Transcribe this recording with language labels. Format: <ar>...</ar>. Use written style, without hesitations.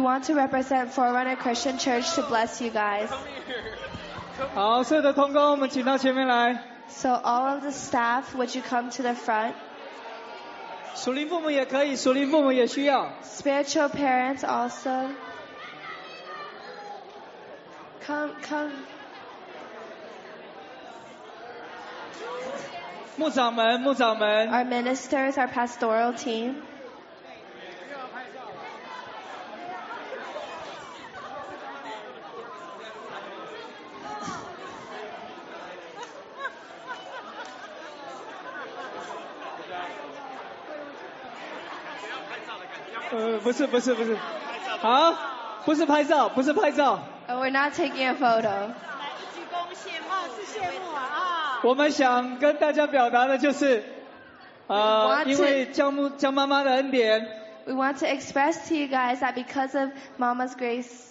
<en>want to represent Forerunner Christian Church to bless you guys.</en> <zh>好，所有的同工，我们请到前面来。</zh> <en>So all of the staff, would you come to the front?</en> <zh>属灵父母也可以，属灵父母也需要。</zh> <en>Spiritual parents also. Come, come.</en> <zh>牧长们，牧长们。</zh> <en>Our ministers, our pastoral team.</en> <zh>不是，好，不是拍照，不是拍照。</zh> <en>We're not taking a photo.</en> <zh>来自鞠躬谢帽，谢谢。羡慕啊！我们想跟大家表达的就是，因为江妈妈的恩典。</zh> <en>We want to express to you guys that because of Mama's grace.</en>